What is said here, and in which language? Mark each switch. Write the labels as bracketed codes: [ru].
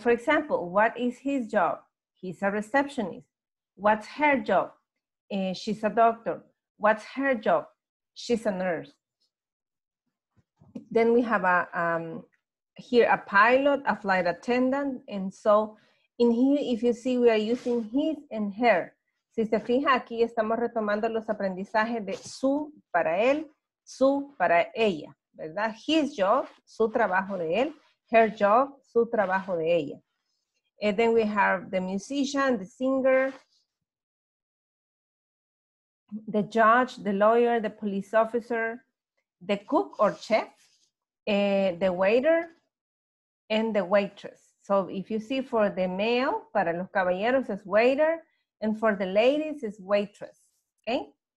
[en] For example, what is his job? He's a receptionist. What's her job? She's a doctor. What's her job? She's a nurse. Then we have a pilot, a flight attendant, and so in here, if you see, we are using his and her. [es] Si se fija, aquí estamos retomando los aprendizajes de su para él, su para ella, ¿verdad? [en] His job, [es] su trabajo de él, [en] her job, [es] su trabajo de ella. [en] And then we have the musician, the singer, the judge, the lawyer, the police officer, the cook or chef, the waiter, and the waitress. So if you see for the male, [es] para los caballeros [en] is waiter, and for the ladies is waitress, okay?